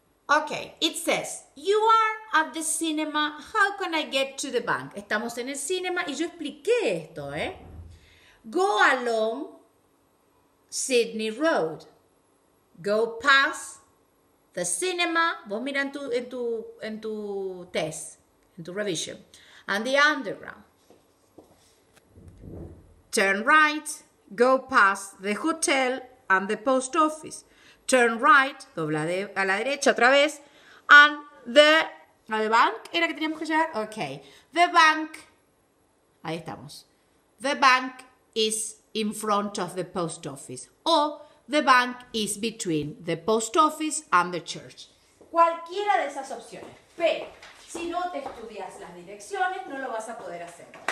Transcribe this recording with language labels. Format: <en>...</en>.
<en>Okay, it says, you are at the cinema, how can I get to the bank?</en> <es>Estamos en el cinema y yo expliqué esto, ¿eh?</es> <en>Go along Sydney Road. Go past the cinema.</en> <es>Vos mira en tu test, en tu revision.</es> <en>And the underground. Turn right, go past the hotel and the post office. Turn right,</en> <es>dobla a la derecha otra vez,</es> <en>and the bank,</en> <es>¿era que teníamos que llegar?</es> <en>Ok, the bank,</en> <es>ahí estamos,</es> <en>the bank is in front of the post office, o the bank is between the post office and the church.</en> <es>Cualquiera de esas opciones, pero si no te estudias las direcciones, no lo vas a poder hacer.</es>